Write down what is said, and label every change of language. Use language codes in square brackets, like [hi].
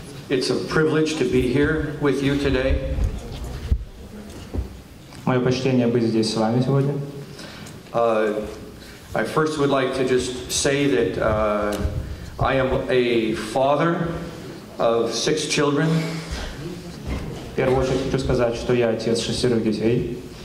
[en] It's a privilege to be here with you today. [ru] Мое почтение быть здесь с вами сегодня. [en] I first would like to just say that I am a father of 6 children. [ru] В первую очередь хочу сказать, что я отец 6 детей.